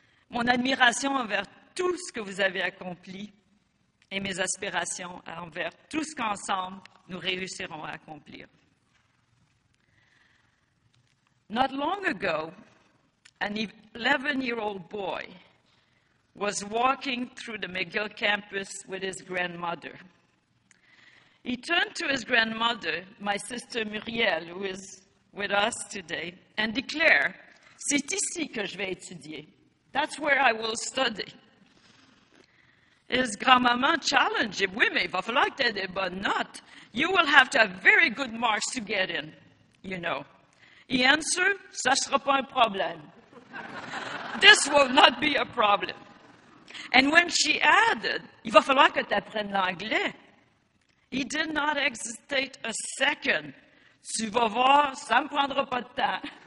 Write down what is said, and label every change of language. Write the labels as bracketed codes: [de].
[fr] Mon admiration envers tout ce que vous avez accompli et mes aspirations envers tout ce qu'ensemble nous réussirons à accomplir. [en] Not long ago, an 11-year-old boy was walking through the McGill campus with his grandmother. He turned to his grandmother, my sister Muriel, who is with us today, and declared, [fr] "C'est ici que je vais étudier. [en] That's where I will study." His grandmaman challenged him, [fr] "Oui, mais il va falloir que tu aies des bonnes notes. [en] You will have to have very good marks to get in, you know." He answered, [fr] "Ça ne sera pas un problème." [en] "This will not be a problem." And when she added, [fr] "Il va falloir que tu apprennes l'anglais," [en] he did not hesitate a second. [fr] "Tu vas voir, ça ne me prendra pas de temps."